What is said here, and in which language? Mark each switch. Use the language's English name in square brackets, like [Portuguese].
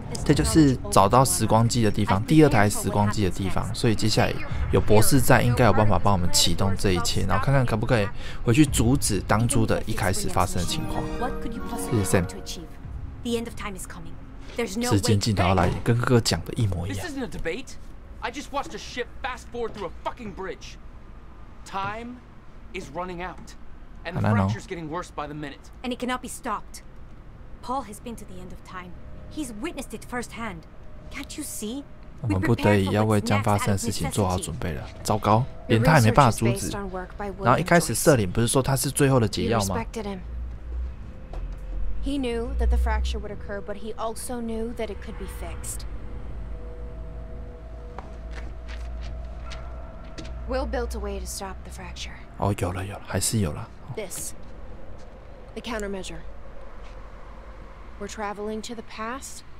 [Chinese] 这就是找到时光机的地方，第二台时光机的地方。所以接下来有博士在，应该有办法帮我们启动这一切，然后看看可不可以回去阻止当初的一开始发生的情况。谢谢 Sam。时间镜头来，跟哥哥讲的一模一样。 [English] This isn't a debate. I just watched a ship fast forward through a fucking bridge. Time is running out, and the fracture's getting worse by the minute. And it cannot be stopped. Paul has been to the end of time. He's witnessed it firsthand. Can't you see? [Chinese] 我们不得已要为将发生的事情做好准备了。糟糕，连他也没办法阻止。然后一开始瑟琳不是说他是最后的解药吗？ [English] He knew that the fracture would occur, but he also knew that it could be fixed. Will built a way to stop the fracture. [Chinese] 哦，有了，有了，还是有了。 [English] This, the countermeasure. We're traveling to the past.